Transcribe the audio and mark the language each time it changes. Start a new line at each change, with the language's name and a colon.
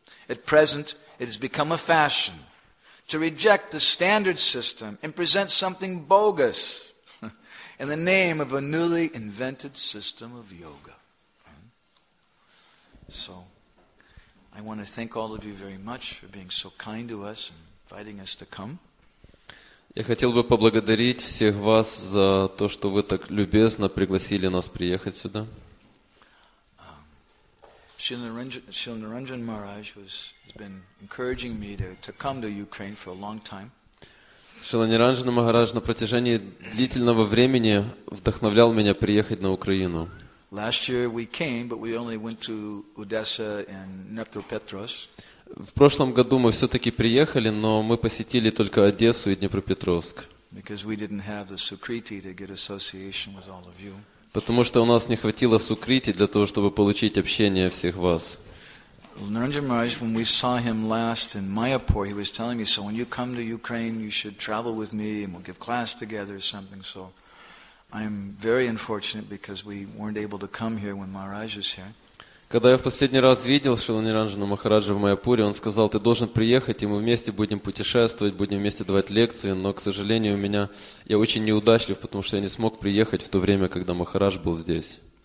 English: At present, it has become a fashion to reject the standard system and present something bogus. In the name of a newly invented system of yoga. So, I want to thank all of you very much for being so kind to us and inviting us to come.
Russian: Я хотел бы поблагодарить всех вас за то, что вы так любезно пригласили нас приехать сюда.
English: Shilnaranjan Maharaj has been encouraging me to come to Ukraine for a long time.
Russian: Шиланиранджан Махарадж на протяжении длительного времени вдохновлял меня приехать на Украину.
English: Last year we came, but we only went to Odessa and Dnepropetrovsk.
Russian: В прошлом году мы все-таки приехали, но мы посетили только Одессу и Днепропетровск.
English: Because we didn't have the Sukriti to get association with all of you.
Russian: Потому что у нас не хватило Сукрити для того, чтобы получить общение всех вас.
English: Narendra Maharaj, when we saw him last in Mayapur, he was telling me, so when you come to Ukraine, you should travel with me and we'll give class together or something. So I'm very unfortunate because we weren't able to come here when Maharaj was here.
Russian: Когда я в последний раз видел Шиланиранджана Махараджа в Майяпуре, он сказал, ты должен приехать, и мы вместе будем путешествовать, будем вместе давать лекции, но, к сожалению, у меня я очень неудачлив, потому что я не смог приехать в то время, когда Махарадж был здесь.